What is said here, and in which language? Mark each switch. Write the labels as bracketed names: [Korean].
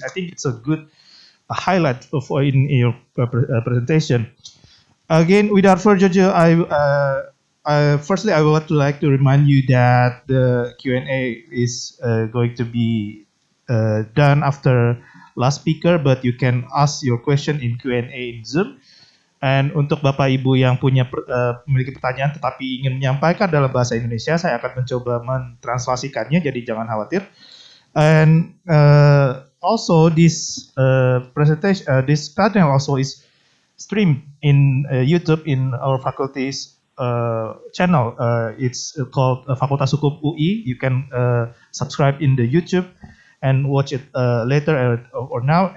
[English] I think it's a good highlight in your presentation. Again, without further ado, I would like to remind you that the Q&A is going to be done after last speaker, but you can ask your question in Q&A in Zoom. [Indonesian] And untuk Bapak Ibu yang punya memiliki pertanyaan tetapi ingin menyampaikan dalam bahasa Indonesia, saya akan mencoba mentranslasikannya, jadi jangan khawatir. [English] And also this presentation, this panel also is streamed in YouTube in our faculty's channel. It's called Fakultas Hukum UI. You can subscribe in the YouTube and watch it later or now.